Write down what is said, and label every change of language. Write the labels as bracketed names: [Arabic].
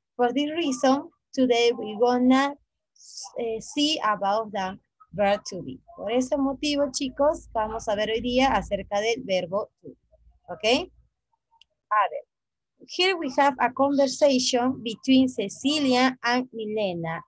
[English] For this reason, today we gonna see about the verb to be. [Spanish] Por ese motivo, chicos, vamos a ver hoy día acerca del verbo to be. Okay? A ver. [English] Here we have a conversation between Cecilia and Milena.